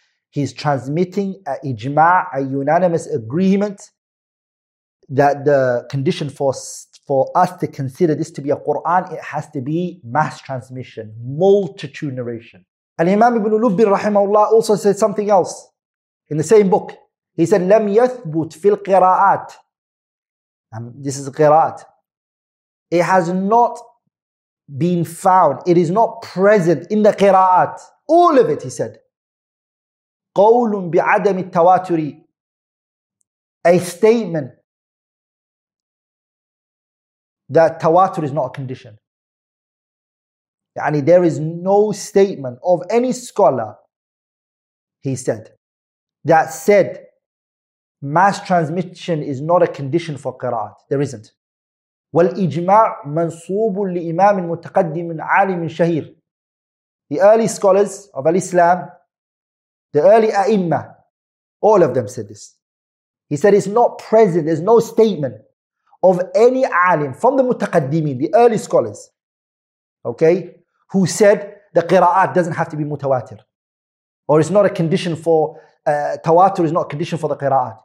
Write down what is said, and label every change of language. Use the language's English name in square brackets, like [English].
[English] He's transmitting a ijma', a unanimous agreement that the condition for us to consider this to be a Qur'an, it has to be mass transmission, multitude narration. Al-Imam ibn Lubbin rahimahullah also said something else in the same book. He said, [Arabic] لم يثبت في القراءات. [English] This is qira'at. It has not been found. It is not present in the qira'at. All of it, he said. [Arabic] قول بعدم التواتر, [English] a statement that tawatur is not a condition. يعني there is no statement of any scholar, he said, that said mass transmission is not a condition for qira'at. There isn't. [Arabic] والإجماع منصوب لإمام متقدم عالم شهير. [English] The early scholars of Al-Islam, the early a'imma, all of them said this. He said it's not present, there's no statement of any alim from the mutaqaddimin, the early scholars, okay, who said the qira'at doesn't have to be mutawatir, or it's not a condition for, tawatur is not a condition for the qira'at.